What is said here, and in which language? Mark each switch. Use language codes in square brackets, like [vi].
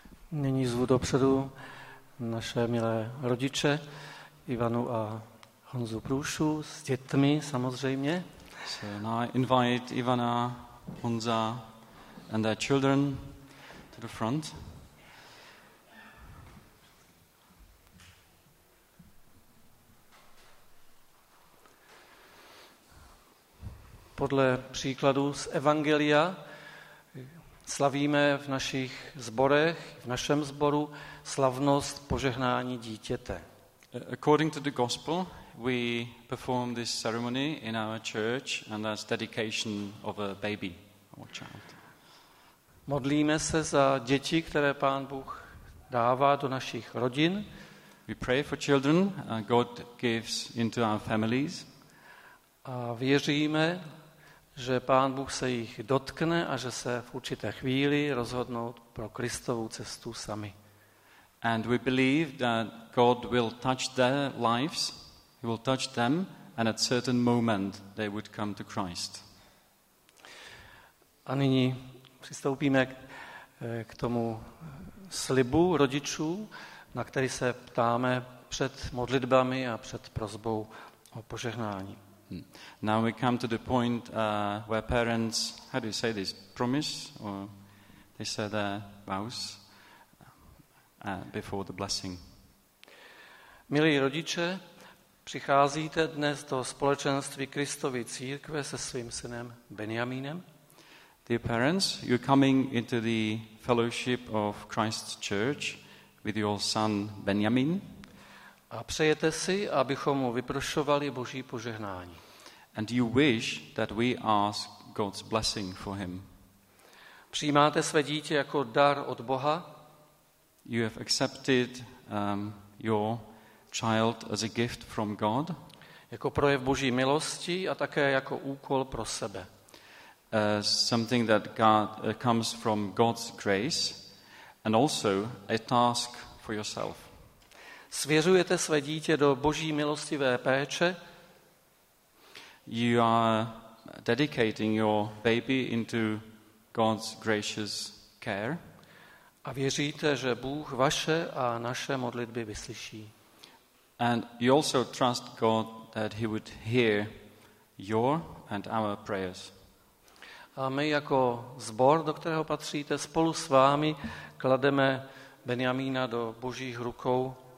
[cs] Nyní zvu dopředu naše milé rodiče, Ivanu a Honzu Průšu, s dětmi samozřejmě. [en] So now I invite Ivana, Honza and their children to the front. [cs] Podle příkladu z Evangelia slavíme v našich zborech, v našem zboru slavnost požehnání dítěte. [en] According to the gospel, we perform this ceremony in our church and that's dedication of a baby or child. [cs] Modlíme se za děti, které Pán Bůh dává do našich rodin. [en] We pray for children God gives into our families. [cs] A věříme, že Pán Bůh se jich dotkne a že se v určité chvíli rozhodnou pro Kristovou cestu sami. [en] And we believe that God will touch their lives, he will touch them and at certain moment they would come to Christ. [cs] A nyní přistoupíme k tomu slibu rodičů, na který se ptáme před modlitbami a před prosbou o požehnání. [en] Now we come to the point where parents, how do you say this, promise, or they say their vows before the blessing. [cs] Milí rodiče, přicházíte dnes do společenství Kristovy církve se svým synem Benjamínem. [en] Dear parents, you're coming into the fellowship of Christ's church with your son Benjamin. [cs] A přejete si, abychom mu vyprošovali Boží požehnání. [en] And you wish that we ask God's blessing for him. [cs] Přijímáte své dítě jako dar od Boha? [en] You have accepted your child as a gift from God. [cs] Jako projev Boží milosti a také jako úkol pro sebe. [en] Something that God comes from God's grace and also a task for yourself. [cs] Svěřujete své dítě do Boží milostivé péče? [en] You are dedicating your baby into God's gracious care. [cs] A věříte, že Bůh vaše a naše modlitby vyslyší. [en] And you also trust God that he would hear your and our prayers. [cs] A my jako sbor, do kterého patříte, spolu s vámi klademe Benjamína do Božích rukou.